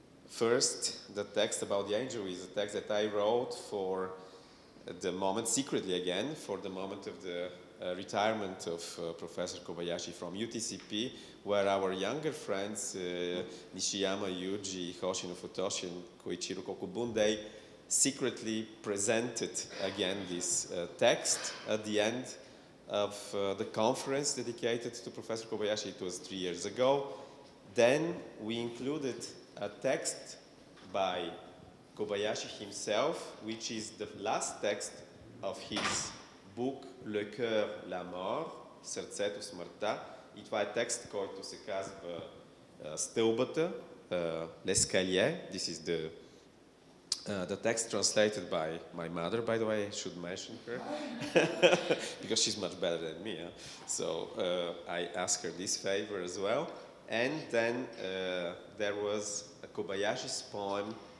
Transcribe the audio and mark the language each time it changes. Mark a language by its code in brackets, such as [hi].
[en] First, the text about the angel is a text that I wrote for the moment, secretly again, for the moment of the retirement of Professor Kobayashi from UTCP, where our younger friends, Nishiyama, Yuji, Hoshino Futoshi, and Koichiro Kokubun, they secretly presented again this text at the end of the conference dedicated to Professor Kobayashi. It was 3 years ago. Then we included a text by Kobayashi himself, which is the last text of his book, Le Coeur, la Mort, Сърцето, Смъртта. [bg] И това е текст, който се казва Стълбата, L'Escalier. [en] This is the text translated by my mother, by the way, I should mention her. Because she's much better than me. Huh? So I ask her this favor as well. And then there was a Kobayashi's poem,